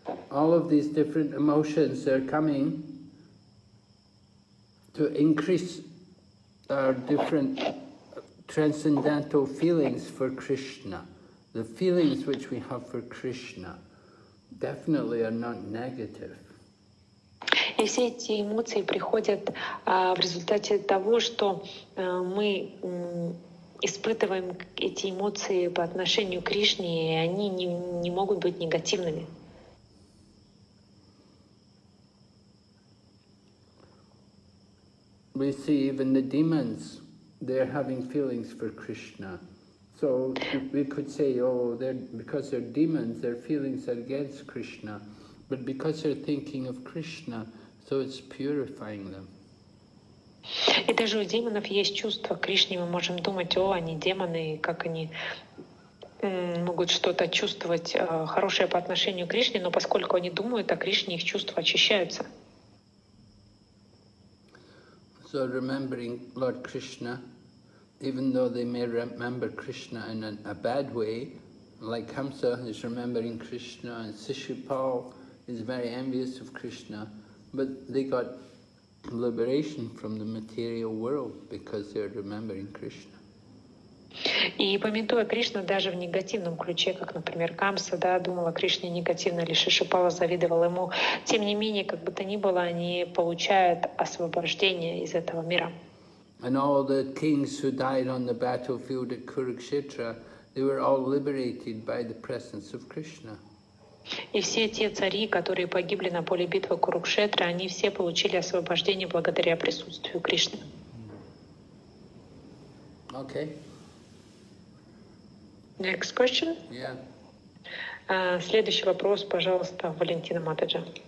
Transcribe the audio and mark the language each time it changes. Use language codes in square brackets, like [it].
[en] All of these different emotions are coming to increase our different transcendental feelings for Krishna. The feelings which we have for Krishna definitely are not negative. [ru] И все эти эмоции приходят в результате того, что мы испытываем эти эмоции по отношению к Кришне, и они не могут быть негативными. [en] We see even the demons, they're having feelings for Krishna. So we could say, because they're demons, their feelings are against Krishna. But because they're thinking of Krishna, so it's purifying them. [ru] И даже у демонов есть чувство к Кришне. Мы можем думать, они демоны, как они могут что-то чувствовать хорошее по отношению к Кришне, но поскольку они думают о Кришне, их чувства очищаются. [en] So remembering Lord Krishna, even though they may remember Krishna in a bad way, like Kamsa is remembering Krishna, and Sishupal is very envious of Krishna, but they got liberation from the material world because they're remembering Krishna. [ru] И памятуя Кришну даже в негативном ключе, как, например, Камса, да, думала о Кришне негативно, или Шишупала завидовала ему, тем не менее, как бы то ни было, они получают освобождение из этого мира. [en] And all the kings who died on the battlefield at Kurukshetra, they were all liberated by the presence of Krishna. [ru] И все те цари, которые погибли на поле битвы Курукшетры, они все получили освобождение благодаря присутствию Кришны. [en] Okay. Next question. Yeah. [ru] Следующий вопрос, пожалуйста, Валентина Матаджа.